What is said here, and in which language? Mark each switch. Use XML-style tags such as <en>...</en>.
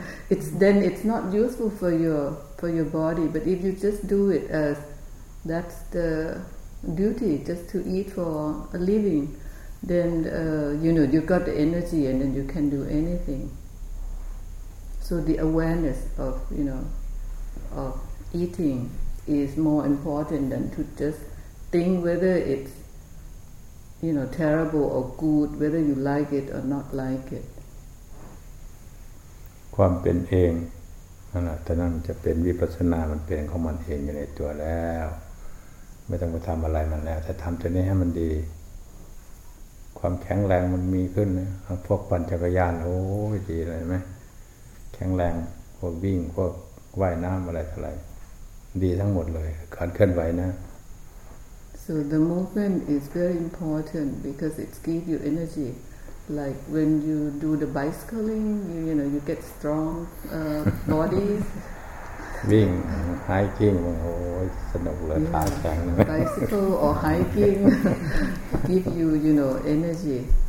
<en>it's not useful for your body. But if you just do it as that's the duty, just to eat for a living, then you know you've got the energy, and then you can do anything. So the awareness of, you know, of eating is more important than to just think whether it's, you know, terrible or good, whether you like it or not like it.</en> <th>ความเป็นเองนั่นแหละแต่นั่นจะเป็นวิปัสสนามันเป็นของมันเองอยู่ในตัวแล้วไม่ต้องไปทำอะไรมันแล้วแต่ทำตัวนี้ให้มันดีความแข็งแรงมันมีขึ้นพวกปั่นจักรยานโอ้ยดีเลยไหมแข็งแรงพวกวิ่งพวกว่ายน้ำอะไรเท่าไรดีทั้งหมดเลยการเคลื่อนไหวนะ</th> <en>so the movement is very important because it gives you energyLike when you do the bicycling, you know, you get strong bodies. Wing, hiking, oh, it's a nice thing. Bicycle or hiking give you, you know, energy.</en>